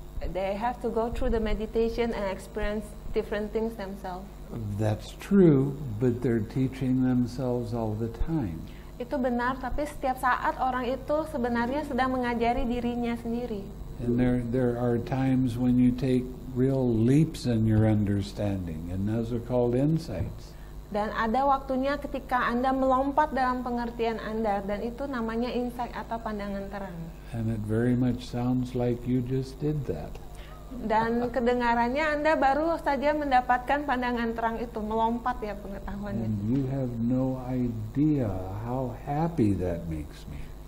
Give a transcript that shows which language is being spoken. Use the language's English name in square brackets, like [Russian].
[English] They have to go through the meditation and experience different things themselves. That's true, but they're teaching themselves all the time. [Indonesian] Itu benar, tapi setiap saat orang itu sebenarnya sedang mengajari dirinya sendiri. [English] And there are times when you take real leaps in your understanding, and those are called insights. [Indonesian] Dan ada waktunya ketika Anda melompat dalam pengertian Anda, dan itu namanya insight atau pandangan terang. [English] And it very much sounds like you just did that. [Indonesian] Dan kedengarannya Anda baru saja mendapatkan pandangan terang itu, melompat ya pengetahuan. [English] And you have no idea how happy that makes me.